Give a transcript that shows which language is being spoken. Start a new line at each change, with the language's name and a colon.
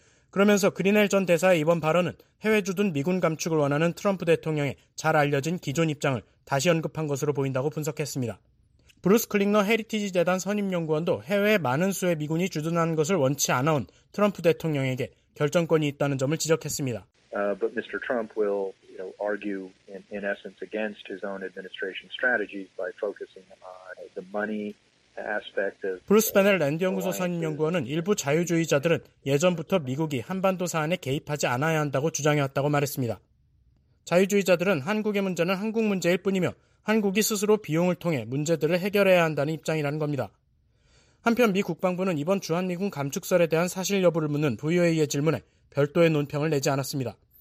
Korean: 그러면서 그린헬 전 대사의 이번 발언은 해외 주둔 미군 감축을 원하는 트럼프 대통령의 잘 알려진 기존 입장을 다시 언급한 것으로 보인다고 분석했습니다. 브루스 클링너 헤리티지 재단 선임연구원도 해외에 많은 수의 미군이 주둔하는 것을 원치 않아온 트럼프 대통령에게 결정권이 있다는 점을 지적했습니다.
English: But Mr. Trump will, you know, argue in essence against his own administration strategies by focusing on the money aspect of.
Korean: 브루스 베넬 랜드 연구소 선임연구원은 일부 자유주의자들은 예전부터 미국이 한반도 사안에 개입하지 않아야 한다고 주장해왔다고 말했습니다. 자유주의자들은 한국의 문제는 한국 문제일 뿐이며 한국이 스스로 비용을 통해 문제들을 해결해야 한다는 입장이라는 겁니다. 한편 미 국방부는 이번 주한미군 감축설에 대한 사실 여부를 묻는 VOA의 질문에 별도의 논평을 내지 않았습니다.